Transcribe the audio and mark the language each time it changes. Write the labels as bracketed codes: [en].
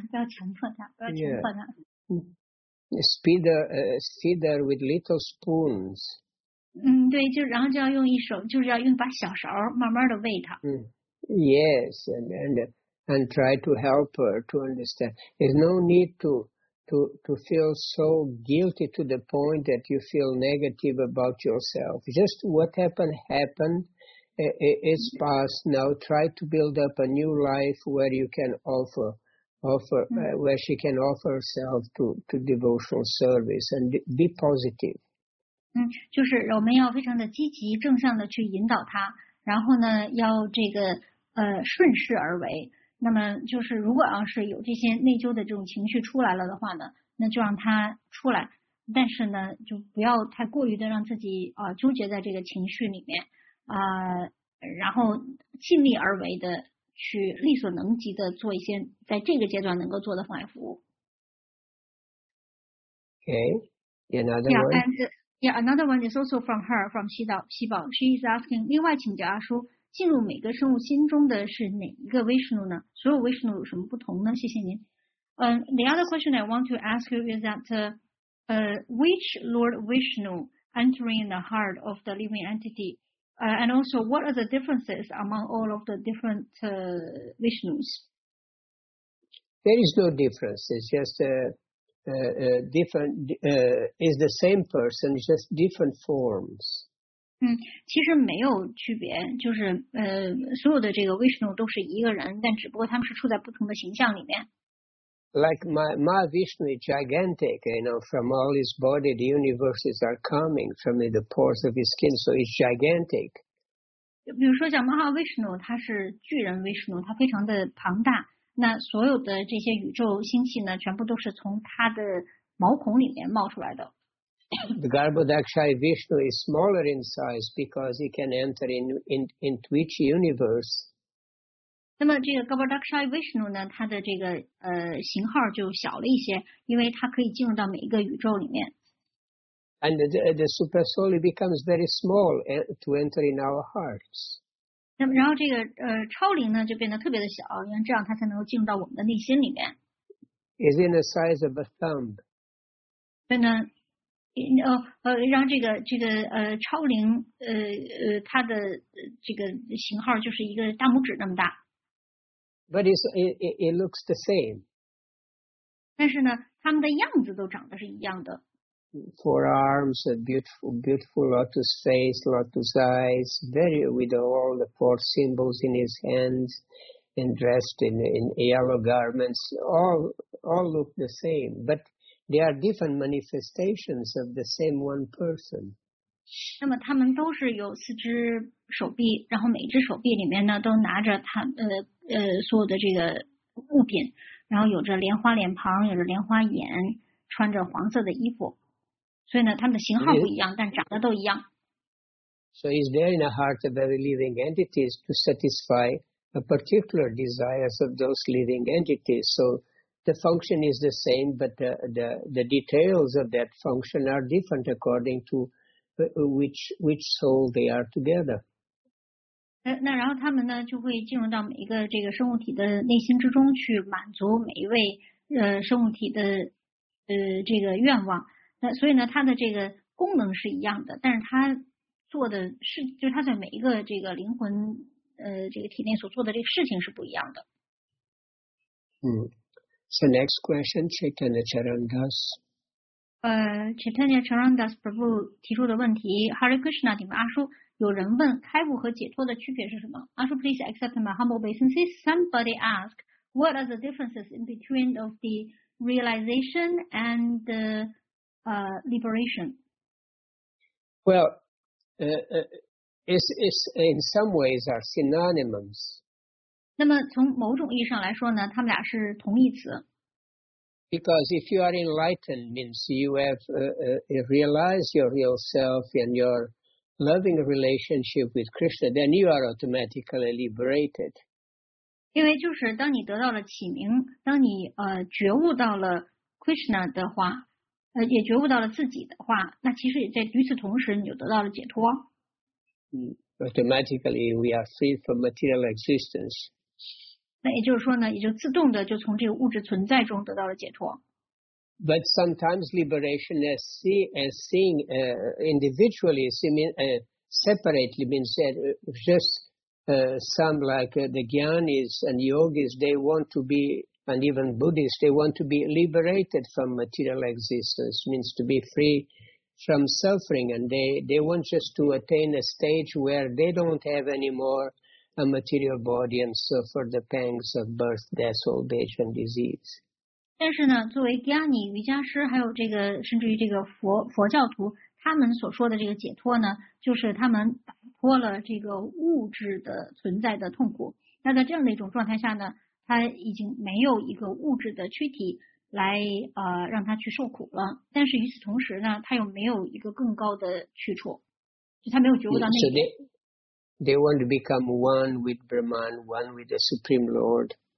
[en] Feed her with little spoons. [zh] 嗯，对，就然后就要用一手，就是要用把小勺慢慢的喂他。 [en] 嗯 ，Yes, and try to help her to understand. There's no need to feel so guilty to the point that you feel negative about yourself. Just what happened. It's past now. Try to build up a new life where you can offer、mm-hmm. where she can offer herself to devotional service and be positive. [zh] 嗯，就是我们要非常的积极正向的去引导她，然后呢，要这个顺势而为。那么就是如果要是有这些内疚的这种情绪出来了的话呢，那就让她出来，但是呢，就不要太过于的让自己纠结在这个情绪里面。然后尽力而为的去力所能及的做一些在这个阶段能够做的方面服务。 [en] Okay, another one. Yeah, another one is also from her, from 西岛西宝。 She is asking, [zh] 另外请教阿叔，进入每个生物心中的是哪一个 Vishnu 呢？所有 Vishnu 有什么不同呢？谢谢您。 [en] The other question I want to ask you is that, which Lord Vishnu entering the heart of the living entity? And also, what are the differences among all of the different Vishnus? There is no difference. It's just different, is the same person, it's just different forms. [zh] 嗯，其实没有区别，就是所有的这个 Vishnu 都是一个人，但只不过他们是处在不同的形象里面。 [en] Like my Vishnu is gigantic, you know, from all his body, the universes are coming from the pores of his skin, so it's gigantic. [zh] 比如说像 Mahavishnu, 他是巨人 Vishnu, 他非常的庞大，那所有的这些宇宙星系呢，全部都是从他的毛孔里面冒出来的。 [en] The Garbhodakshayi Vishnu is smaller in size because he can enter into each universe. [zh] 那么这个 Garbhodakshayi Vishnu 呢，它的这个型号就小了一些，因为它可以进入到每一个宇宙里面。 [en] And the super soul becomes very small to enter in our hearts. [zh] 那么然后这个超灵呢就变得特别的小，因为这样它才能够进入到我们的内心里面。 [en] Is in the size of a thumb. [zh] 所以呢，让这个超灵它的这个型号就是一个大拇指那么大。 [en] But it looks the same. [zh] 但是呢，他们的样子都长得是一样的。 [en] Forearms, a beautiful lotus face, lotus eyes, very with all the four symbols in his hands, and dressed in yellow garments. All look the same, but they are different manifestations of the same one person. [zh] 那么他们都是有四只手臂，然后每只手臂里面呢都拿着他所有的这个物品，然后有着莲花脸庞，有着莲花眼，穿着黄色的衣服，所以呢他们的型号不一样，但长得都一样。 [en] So he's there in the heart of every living entities to satisfy a particular desires of those living entities. So the function is the same, but the details of that function are different according to which soul they are together. [zh] 那然后他们呢就会进入到每一个这个生物体的内心之中去满足每一位生物体的这个愿望，那所以呢他的这个功能是一样的，但是他做的是就是他在每一个这个灵魂这个体内所做的这个事情是不一样的。 [en] 嗯 So next question, Chaitanya Charandas. [zh] Chaitanya Charandas Prabhu 提出的问题 Hare Krishna, 你们阿叔有人问开悟和解脱的区别是什么？阿叔 ， [en] please accept my humble obeisances. Somebody ask, what are the differences in between of the realization and the liberation? Well, it's in some ways are synonyms. [zh] 那么从某种意义上来说呢，他们俩是同义词。 [en] Because if you are enlightened means you have realized your real self and your loving relationship with Krishna, then you are automatically liberated. [zh] 因为就是当你得到了启明，当你觉悟到了 Krishna 的话，也觉悟到了自己的话，那其实也在与此同时，你就得到了解脱。嗯， [en] automatically we are free from material existence. [zh] 那也就是说呢，也就自动的就从这个物质存在中得到了解脱。 [en] But sometimes liberation as seeing individually, separately means that just some like the jnanis and yogis, they want to be, and even Buddhists, they want to be liberated from material existence, means to be free from suffering, and they want just to attain a stage where they don't have any more a material body and suffer the pangs of birth, death, old age, and disease. [zh] 但是呢，作为伽尼、瑜伽师，还有这个甚至于这个佛教徒，他们所说的这个解脱呢，就是他们摆脱了这个物质的存在的痛苦。那在这样的一种状态下呢，他已经没有一个物质的躯体来让他去受苦了。但是与此同时呢，他又没有一个更高的去处，就他没有觉悟到那一点。 [en] They want to become one with Brahman, one with the Supreme Lord.